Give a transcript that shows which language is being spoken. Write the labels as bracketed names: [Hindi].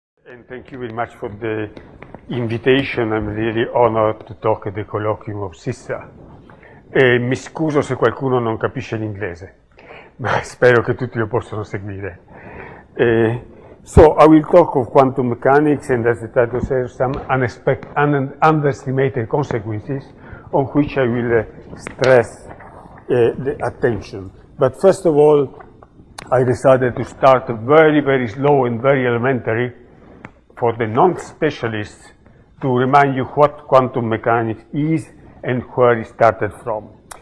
[English] And thank you very much for the invitation. I'm really honored to talk at the colloquium of SISSA. [Italian] E mi scuso se qualcuno non capisce l'inglese, ma spero che tutti lo possano seguire. [English] So I will talk of quantum mechanics and, as the title says, some underestimated consequences on which I will stress the attention. But first of all, I decided to start very, very slow and very elementary for the non-specialists to remind you what quantum mechanics is and where it started from.